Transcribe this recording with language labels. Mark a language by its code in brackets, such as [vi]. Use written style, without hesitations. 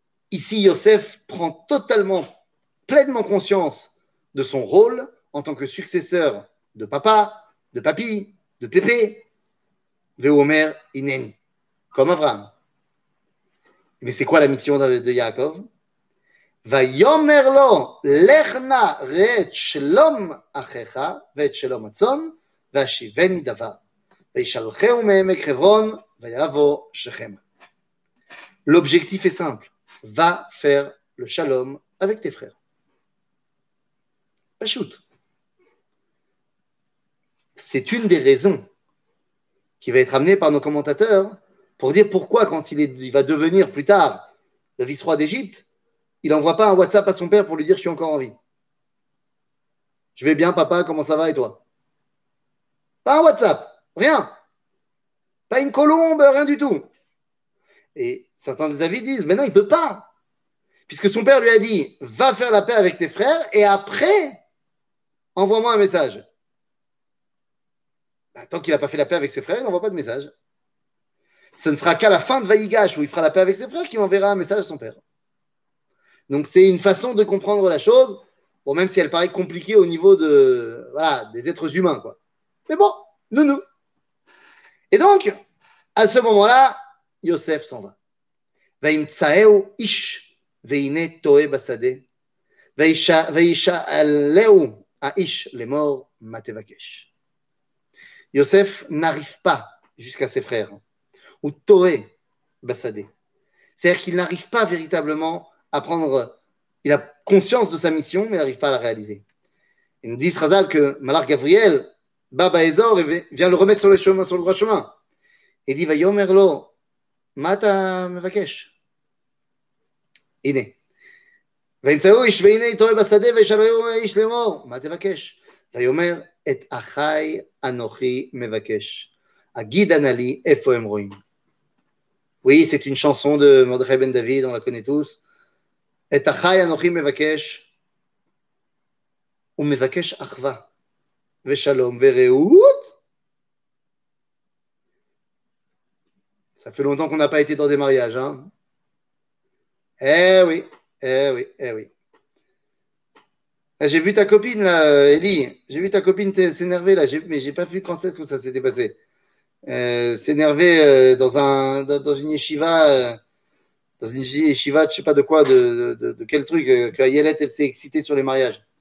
[fr] Ici, Yosef prend totalement, pleinement conscience de son rôle en tant que successeur de papa, de papy, de pépé, veomer inen, comme Avraham. Mais c'est quoi la mission de Yaakov? [he] ויאמר לו, לך נא ראה את שלום אחיך ואת שלום הצאן, ואשיבני דבר. וישלחהו מעמק חברון, ויבוא שכם. [fr] L'objectif est simple. Va faire le shalom avec tes frères. Pashut. C'est une des raisons qui va être amenée par nos commentateurs pour dire pourquoi, quand il va devenir plus tard le vice-roi d'Égypte, il n'envoie pas un WhatsApp à son père pour lui dire « Je suis encore en vie. Je vais bien, papa, comment ça va et toi ?» Pas un WhatsApp, rien. Pas une colombe, rien du tout. Et certains des avis disent, mais non, il ne peut pas. Puisque son père lui a dit, va faire la paix avec tes frères et après, envoie-moi un message. Ben, tant qu'il n'a pas fait la paix avec ses frères, il n'envoie pas de message. Ce ne sera qu'à la fin de Vaïgash où il fera la paix avec ses frères qu'il enverra un message à son père. Donc c'est une façon de comprendre la chose, bon, même si elle paraît compliquée au niveau de, voilà, des êtres humains, quoi. Mais bon, nounou. Et donc, à ce moment-là, Yosef s'en va. [he] וימצאהו איש, והנה טועה בשדה, וישאלהו האיש לאמור, מה תבקש? יוסף נריף פה, [fr] jusqu'à ses frères, [he] הוא טועה בשדה. [fr] C'est-à-dire qu'il n'arrive pas véritablement à prendre, il a conscience de sa mission, mais n'arrive pas à la réaliser. Il nous dit, Razal, que Malach Gabriel, Baba Ezor, vient le remettre sur le chemin, sur le droit chemin. Il dit, [he] ויאמר לו, מה אתה מבקש? הנה. וימצאו איש והנה תועה בשדה וישאלו איש לאמור, מה תבקש? ויאמר, את אחי אנוכי מבקש. אגידה נא לי איפה הם רואים. [fr] Oui, c'est une chanson de מרדכי בן דוד, on la connaît tous. [he] את אחי אנוכי מבקש. הוא מבקש אחווה ושלום ורעות. [fr] Ça fait longtemps qu'on n'a pas été dans des mariages. Hein. Eh oui. J'ai vu ta copine, là, Ellie. J'ai vu ta copine s'énerver, là. Mais je n'ai pas vu quand c'est que ça s'était passé. S'énerver dans une yeshiva, je ne sais pas de quoi, de quel truc, que Ayelet, elle s'est excitée sur les mariages.